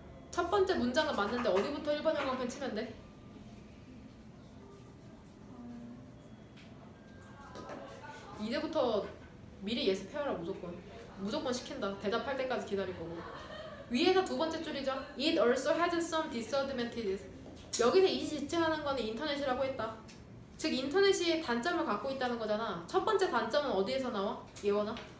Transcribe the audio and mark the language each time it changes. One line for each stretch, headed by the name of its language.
Korean: 첫 번째 문장은 맞는데 어디부터 1번 형광펜 치면 돼? 이제부터 미리 예습해와라 무조건. 무조건 시킨다. 대답할 때까지 기다릴 거고. 위에서 두 번째 줄이죠.
English: It also has some disadvantages.
Korean: 여기서 이 지칭하는 거는 인터넷이라고 했다. 즉 인터넷이 단점을 갖고 있다는 거잖아. 첫 번째 단점은 어디에서 나와? 예원아?